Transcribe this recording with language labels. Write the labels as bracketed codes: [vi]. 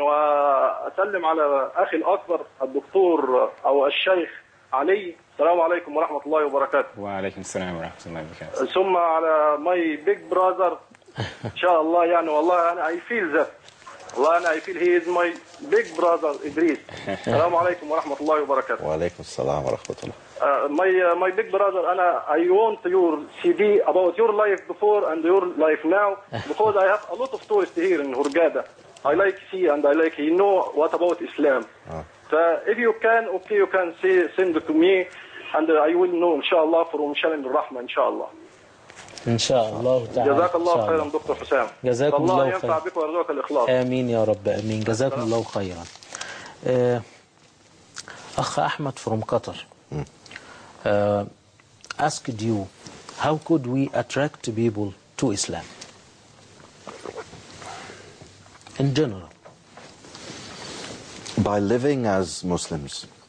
[ar] وأسلم على أخي الأكبر الدكتور أو الشيخ علي, السلام عليكم ورحمة الله وبركاته. وعليكم السلام ورحمة الله وبركاته. ثم على [en] my big brother [ar] إن شاء الله, يعني والله أنا [en] I feel that, [ar] والله أنا [en] I feel he is my big brother إدريس. [ar] السلام عليكم ورحمة الله وبركاته. وعليكم السلام ورحمة الله. [en] My big brother, أنا I want your CD about your life before and your life now, because I have a lot of tourists here in Hurghada. I like see and I like you know what about Islam. If you can, okay, you can say, send it to me and I will know [ar] إن شاء الله [en] from Shalim al-Rahman إن شاء الله. [ar] إن شاء الله تعالى. جزاك الله خيرا دكتور حسام. جزاك الله خيرا. الله ينفع بك ويرزقك الإخلاص. آمين يا رب آمين. جزاك الله خيرا. أخ أحمد from قطر. [en] Asked you, how could we attract people to Islam in general? By living as Muslims.